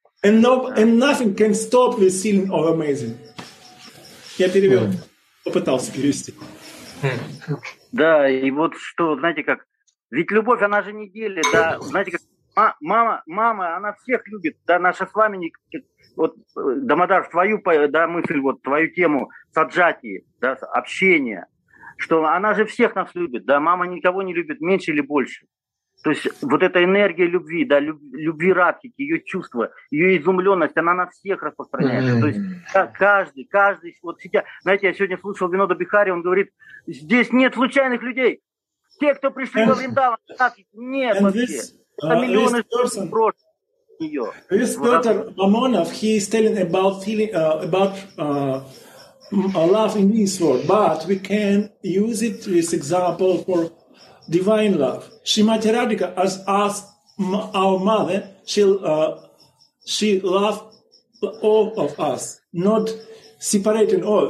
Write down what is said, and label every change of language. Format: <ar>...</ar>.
<en>And no, and nothing can stop the feeling of amazing.</en> <ru>Я перевел. Попытался перевести. Да, и вот что, знаете как, ведь любовь, она же не делит, да, знаете как, мама, она всех любит, да, наша с вами, вот, Дамодар, твою, да, мысль, вот, твою тему, саджати, да, общение, что она же всех нас любит, да, мама никого не любит меньше или больше. То есть вот эта энергия любви, да, любви Радхики, ее чувство, ее изумленность, она на всех распространяется. Mm-hmm. То есть каждый, вот сейчас, знаете, я сегодня слушал Винода Бихари, он говорит, здесь нет случайных людей. Те, кто пришли во Вриндаван, Радхики, нет вообще. Это миллионы людей прошли ее.</ru> <en>This Peter Mamonov, he is telling about feeling, about love in this world, but we can use it as example for divine love. Shrimati Radhika, as our mother, she loves all of us, not separating all.</en>